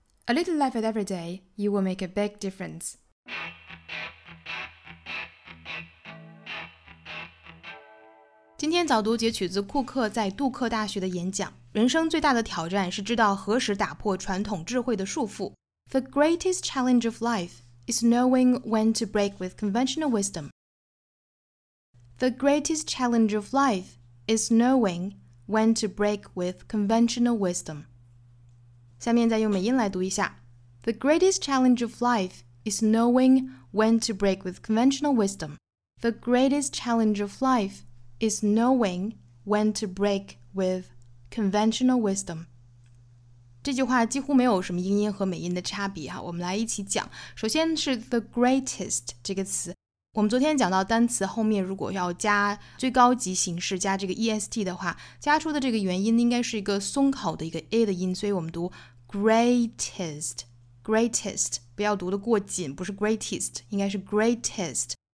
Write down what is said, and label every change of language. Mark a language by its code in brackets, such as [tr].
[en] A little life at every day, you will make a big difference. [zh] 今天早读截取自库克在杜克大学的演讲。人生最大的挑战是知道何时打破传统智慧的束缚。 [en] The greatest challenge of life is knowing when to break with conventional wisdom. The greatest challenge of life is knowing when to break with conventional wisdom. [zh] 下面再用美音来读一下。 [en] The greatest challenge of life is knowing when to break with conventional wisdom. The greatest challenge of life is knowing when to break with conventional wisdom. [zh] 这句话几乎没有什么英音和美音的差别哈，我们来一起讲。首先是 the greatest 这个词。我们昨天讲到单词后面如果要加最高级形式加这个 EST 的话，加出的这个元音应该是一个松口的一个 A 的音，所以我们读 greatest, greatest, 不要读得过紧，不是 greatest, 应该是 greatest.